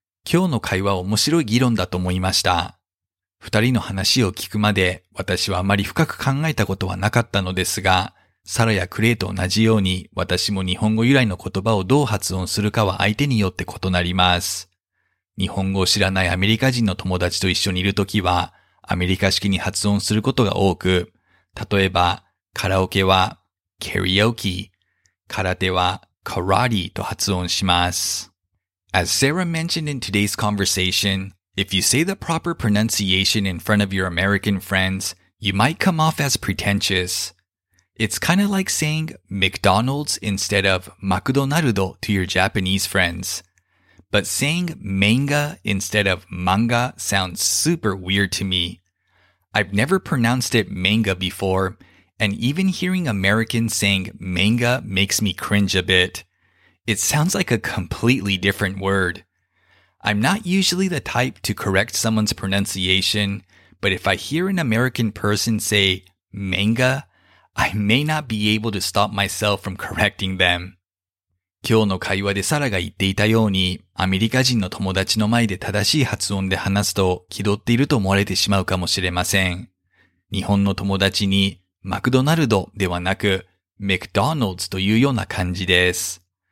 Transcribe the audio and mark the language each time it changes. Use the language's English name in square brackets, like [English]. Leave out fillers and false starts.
[Japanese] 今日の会話面白い議論だと思いました。二人の話を聞くまで私はあまり深く考えたことはなかったのですが、サラやクレイと同じように私も日本語由来の言葉をどう発音するかは相手によって異なります。日本語を知らないアメリカ人の友達と一緒にいるときはアメリカ式に発音することが多く、例えばカラオケはカリオキ、空手はカラリと発音します。 [English] As Sarah mentioned in today's conversation, if you say the proper pronunciation in front of your American friends, you might come off as pretentious. It's kind of like saying McDonald's instead of McDonald's to your Japanese friends. But saying manga instead of manga sounds super weird to me. I've never pronounced it manga before, and even hearing Americans saying manga makes me cringe a bit. It sounds like a completely different word. I'm not usually the type to correct someone's pronunciation, but if I hear an American person say manga,I may not be able to stop myself from correcting them. [Japanese] 今日の会話でサラが言っていたように、アメリカ人の友達の前で正しい発音で話すと気取っていると思われてしまうかもしれません。日本の友達にマクドナルドではなくマクドナルドというような感じです。